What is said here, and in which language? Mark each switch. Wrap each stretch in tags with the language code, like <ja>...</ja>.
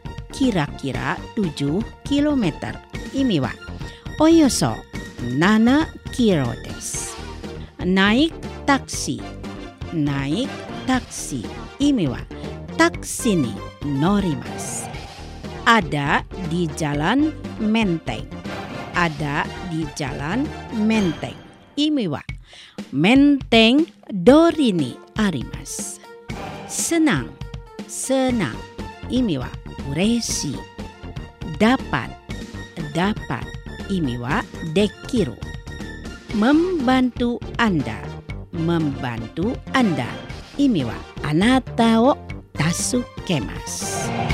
<id>Kira-kira 7 kilometer.</id> <ja>意味はおよそ7キロです。</ja> <id>Naik taksi、 Naik taksi、</id> <ja>意味はタクシーに乗ります。</ja> <id>Ada di jalan Menteng、 Ada di jalan Menteng、</id> <ja>意味は Menteng 通りにあります。</ja> <id>Senang、 Senang、</id> <ja>意味は嬉しい。</ja> <id>DapatDapat,</id> <ja>意味はできる。</ja> <id>Membantu anda, membantu anda,</id> <ja>意味はあなたを助けます。</ja>